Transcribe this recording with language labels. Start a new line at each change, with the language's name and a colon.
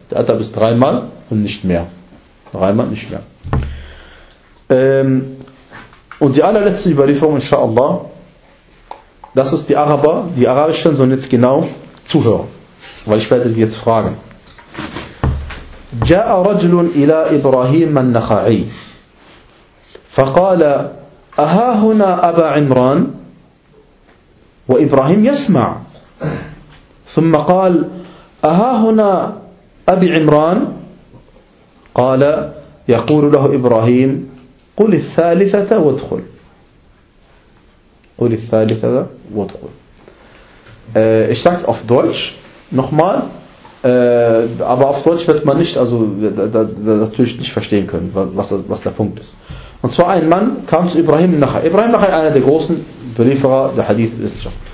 German: Der Adab ist dreimal und nicht mehr. Dreimal nicht mehr. Und die allerletzte Überlieferung, inshallah, das ist die Araber, die Arabischen sollen jetzt genau zuhören, weil ich werde sie jetzt fragen.
Arabic: جاء رجل إلى إبراهيم النخعي فقال أها هنا أبا عمران وإبراهيم يسمع ثم قال أها هنا أبي عمران قال يقول له إبراهيم قل الثالثة وادخل. قل الثالثة وادخل.
German: Ich sage auf Deutsch nochmal, aber auf Deutsch wird man nicht, also natürlich nicht verstehen können, was der Punkt ist. Und zwar ein Mann kam zu Ibrahim Nachai. Ibrahim Nachai, einer der großen Belieferer der Hadith-Wissenschaft.